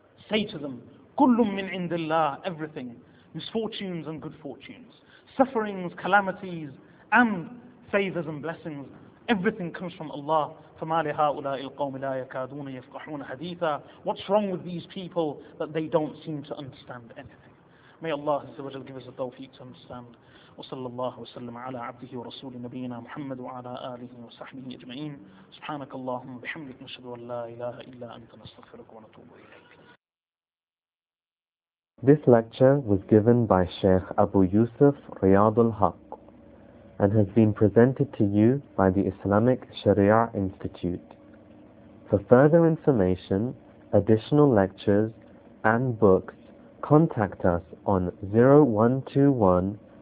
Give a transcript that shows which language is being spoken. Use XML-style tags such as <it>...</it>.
<en>Say to them,</en> <ar>kullum min indillah,</ar> <en>everything, misfortunes and good fortunes, sufferings, calamities, and favors and blessings, everything comes from Allah.</en> <ar>فَمَا لِهَاؤُلَاءِ الْقَوْمِ لَا يَكَادُونَ يَفْقَحُونَ حَدِيثًا.</ar> <en>What's wrong with these people that they don't seem to understand anything? May Allah Azza wa Jalla give us the tawfiq to understand.</en> <ar>وصلى الله وسلم على عبده ورسول نبينا محمد وعلى آله وصحبه أجمعين. سبحانك اللهم وبحمدك نشهد أن لا إله إلا أنت نستغفرك ونتوب إليك.</ar> <en>This lecture was given by Sheikh Abu Yusuf Riyad al-Haq and has been presented to you by the Islamic Sharia Institute. For further information, additional lectures and books, contact us on 0121</en>